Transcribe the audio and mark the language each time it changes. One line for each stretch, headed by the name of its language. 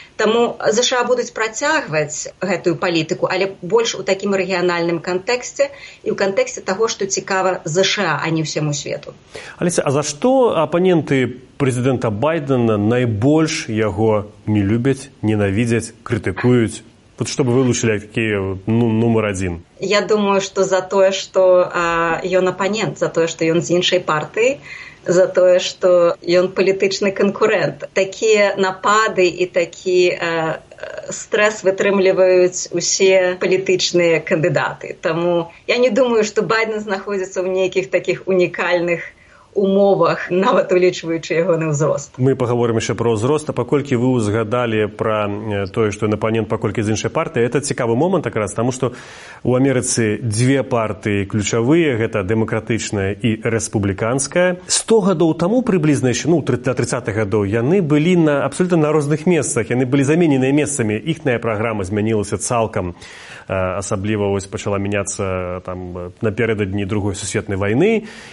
Belarusian: Таму США будуць працягваць гэтую палітыку, але больш у такім рэгіянальным кантэксце і ў кантэксце таго, што цікава США, а не ўсяму свету. Аліся, а за што апаненты прэзідэнта Байдэна найбольш яго не любяць, ненавідзяць, крытыкуюць?
Russian: Вот чтобы вылучили, какие, ну, номер один. Я думаю, что за то, что ён оппонент, за то, что ён
Belarusian: з іншай партыі,
Russian: за то, что ён политичный конкурент. Такие напады и такие стресс вытрымливают все политичные кандидаты. Тому я не думаю, что Байден находится в неких таких уникальных умовах,
Belarusian: нават улічваючы яго на ўзрост. Мы пагаворым яшчэ пра ўзрост, а паколькі вы ўзгадалі пра тое, што ён апанент, паколькі з іншай партыі, гэта цікавы момант якраз, таму што ў Амерыцы дзве партыі ключавыя, гэта дэмакратычная і рэспубліканская. 100 гадоў таму прыблізна, ну, 30-х гадоў, яны былі на абсалютна на розных месцах, яны былі замененыя месцамі, іхная праграма змянілася цалкам, асабліва вось пачала мяняцца там напярэдадні другой сусветнай вайны.